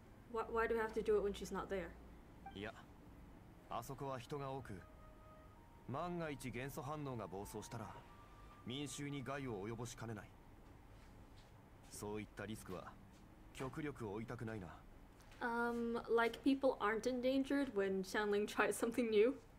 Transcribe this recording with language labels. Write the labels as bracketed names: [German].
[English] Why do we have to do it when she's not there? [Japanese] いや、あそこは人が多く、万が一元素反応が暴走したら民衆に害を及ぼしかねない。そういったリスクは極力負いたくないな。 [English] Like people aren't in danger when Xiangling tries something new.